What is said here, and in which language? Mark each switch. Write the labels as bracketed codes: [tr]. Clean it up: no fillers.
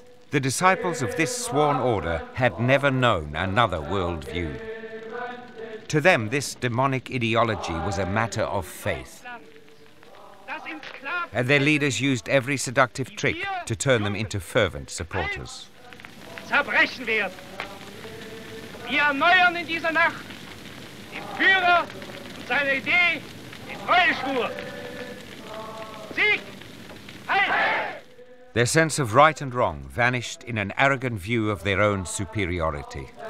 [en] The disciples of this sworn order had never known another worldview. To them, this demonic ideology was a matter of faith. And their leaders used every seductive trick to turn them into fervent supporters. [de] Zerbrechen wir! Wir erneuern in dieser Nacht den Führer und seine Idee, den Treueschwur. Sieg! Heil! [en] Their sense of right and wrong vanished in an arrogant view of their own superiority.